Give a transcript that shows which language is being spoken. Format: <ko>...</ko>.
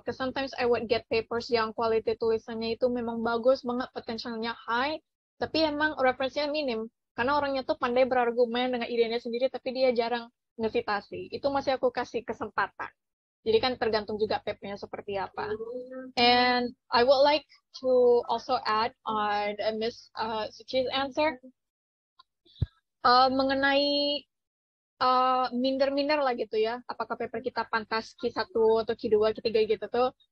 <en>Because sometimes I would get papers</en> <id>yang quality tulisannya itu memang bagus banget, potensialnya high, tapi emang referensinya minim. Karena orangnya tuh pandai berargumen dengan idenya sendiri, tapi dia jarang ngesitasi. Itu masih aku kasih kesempatan. Jadi kan tergantung juga papernya seperti apa.</id> <en>And I would like to also add on Miss Suci's answer</en> <id>mengenai minder-minder lah gitu ya. Apakah paper kita pantas Q1 atau Q2, Q3 gitu tuh.</id>